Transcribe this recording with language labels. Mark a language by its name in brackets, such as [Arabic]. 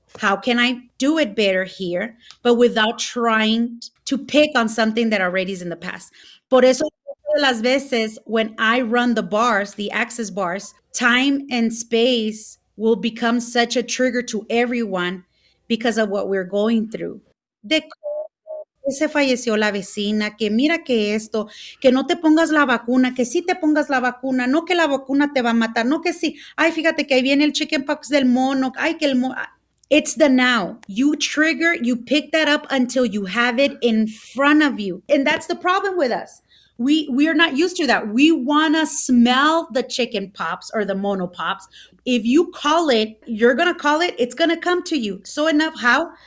[English] How can I do it better here? But without trying to pick on something that already is in the past. Por eso, las veces when I run the bars, the access bars, time and space will become such a trigger to everyone because of what we're going through. [Spanish] de se falleció la vecina, que mira que esto, que no te pongas la vacuna, que sí te pongas la vacuna, no que la vacuna te va a matar, no que sí, ay, fíjate que ahí viene el chickenpox del mono, ay, que el mono. [English] It's the now. You trigger, you pick that up until you have it in front of you. And that's the problem with us. We are not used to that. We want to smell the chicken pops or the mono pops. If you call it, you're going to call it, it's going to come to you. So enough how?